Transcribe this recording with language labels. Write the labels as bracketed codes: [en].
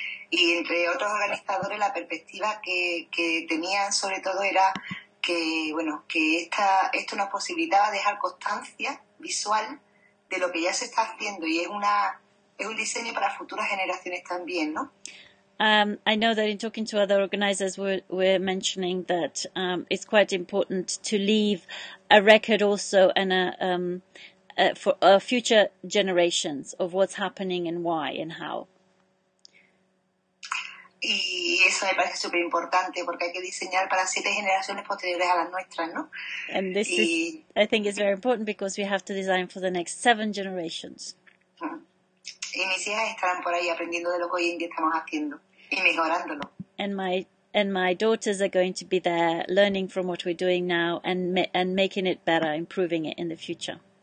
[es] Y entre otros organizadores, la perspectiva que tenían sobre todo era que, bueno, que esto nos posibilitaba dejar constancia visual de lo que ya se está haciendo, y es un diseño para futuras generaciones también, ¿no? [en] I know that in talking to other organizers, we're mentioning that it's quite important to leave a record also and for future generations of what's happening and why and how. [es] Y eso me parece súper importante porque hay que diseñar para siete generaciones posteriores a las nuestras, ¿no? [en] And this is, I think, it's very important because we have to design for the next seven generations. [es] Y mis hijas estarán por ahí aprendiendo de lo que hoy en día estamos haciendo y mejorándolo. [en] And my daughters are going to be there learning from what we're doing now and making it better, improving it in the future.